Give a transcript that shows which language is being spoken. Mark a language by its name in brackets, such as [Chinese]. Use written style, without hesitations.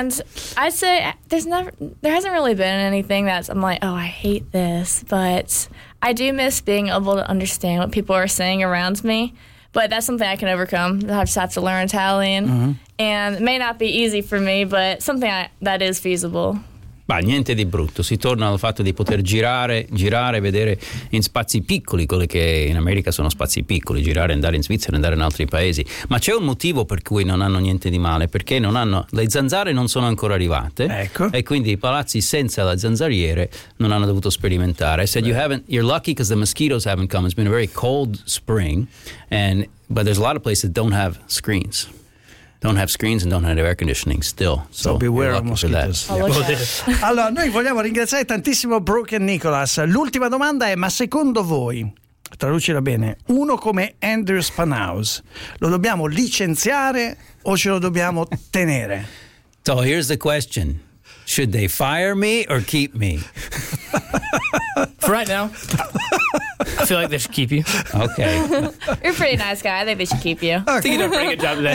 [English] And I'd say there hasn't really been anything that I'm like, oh, I hate this. But I do miss being able to understand what people are saying around me. But that's something I can overcome. I just have to learn Italian. Mm-hmm. And it may not be easy for me, but something that is feasible. [Italian] Ma niente di brutto. Si torna al fatto di poter girare, vedere in spazi piccoli, quelli che in America sono spazi piccoli, girare, andare in Svizzera, andare in altri paesi. Ma c'è un motivo per cui non hanno niente di male, perché non hanno, le zanzare non sono ancora arrivate. Ecco. E quindi i palazzi senza la zanzariere non hanno dovuto sperimentare. [English] I said, you're lucky because the mosquitoes haven't come. It's been a very cold spring, but there's a lot of places that don't have screens. Don't have screens and don't have air conditioning still. So beware of mosquitoes. [Italian] Allora, noi vogliamo ringraziare tantissimo Brooke e Nicholas. L'ultima domanda è: ma secondo voi, traducila bene, uno come Andrew Spanhouse lo dobbiamo licenziare o ce lo dobbiamo tenere? [English] So here's the question: should they fire me or keep me? For right now, I feel like they should keep you. Okay. You're a pretty nice guy. I think they should keep you. Okay. I think you did a pretty good job there.